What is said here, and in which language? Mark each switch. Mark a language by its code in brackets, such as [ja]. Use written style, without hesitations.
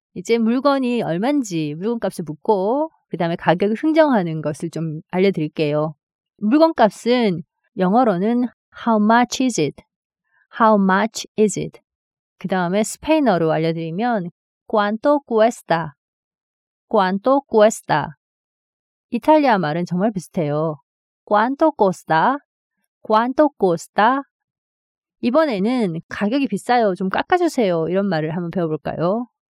[ko] 이제 물건이 얼만지 물건값을 묻고 그 다음에 가격을 흥정하는 것을 좀 알려드릴게요. 물건값은 영어로는 [en] How much is it? How much is it? [ko] 그 다음에 스페인어로 알려드리면 [es] Quanto cuesta? Quanto cuesta? [ko] 이탈리아 말은 정말 비슷해요. [it] Quanto costa? Quanto costa? [ko] 이번에는 가격이 비싸요. 좀 깎아주세요. 이런 말을 한번 배워볼까요?